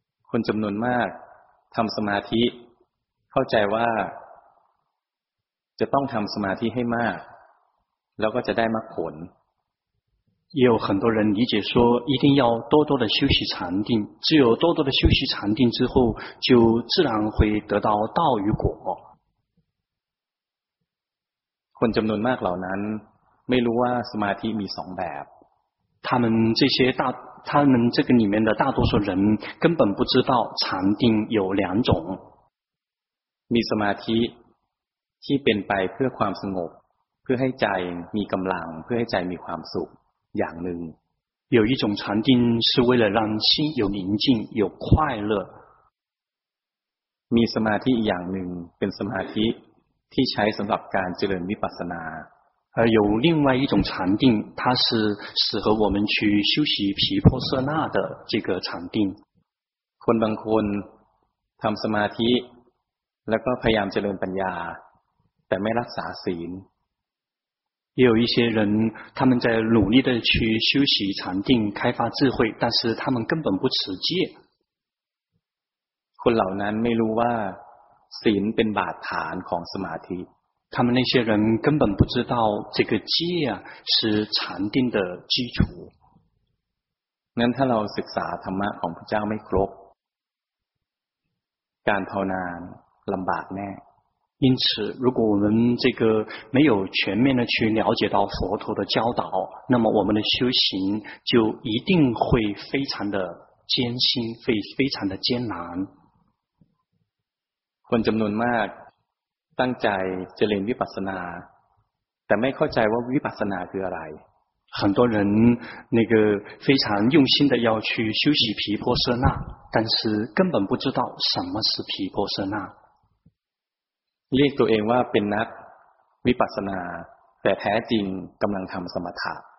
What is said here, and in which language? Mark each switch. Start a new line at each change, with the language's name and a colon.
Thai: คนจำนวนมากทำสมาธิเข้าใจว่าจะต้องทำสมาธิให้มากแล้วก็จะได้มรรคผล
Chinese: 也有很多人理解说一定要多多的修习禅定只有多多的修习禅定之后就自然会得到道与果
Thai: คนจำนวนมากเหล่านั้นไม่รู้ว่าสมาธิมีสองแบบ
Chinese: 他们这个里面的大多数人根本不知道禅定有两种
Thai: มีสมาธิที่เป็นไปเพื่อความสงบเพื่อให้ใจมีกำลังเพื่อให้ใจมีความสุขอย่างหนึ่ง
Chinese: 有一种禅定是为了让心有宁静有快乐
Thai: มีสมาธิอย่างหนึ่งเป็นสมาธิที่ใช้สำหรับการเจริญวิปัสสนา
Chinese: 有另外一种禅定它是适合我们去修习毗婆舍那的这个禅定
Thai: คนบางคนทำสมาธิแล้วก็พยายามเจริญปัญญาแต่ไม่รักษาศีล
Chinese: 也有一些人他们在努力的去修习禅定开发智慧但是他们根本不持戒
Thai: คนเหล่านั้นไม่รู้ว่าศีลเป็นบาทฐานของสมาธิ
Chinese: 他们那些人根本不知道这个戒啊是禅定的基础
Thai: งั้นถ้าเราศึกษาธรรมะของพระเจ้าไม่ครบการภาวนาลำบากแน่
Chinese: 因此如果我们这个没有全面的去了解到佛陀的教导那么我们的修行就一定会非常的艰辛会非常的艰难
Thai: คนจำนวนมากตั้งใจเจริญวิปัสสนาแต่ไม่เข้าใจว่าวิปัสสนาคืออะไร
Chinese: 很多人那个非常用心的要去修习毗婆舍那但是根本不知道什么是毗婆舍那
Thai: เรียกตัวเองว่าเป็นนักวิปัสสนาแต่แท้จริงกำลังทำสมถะ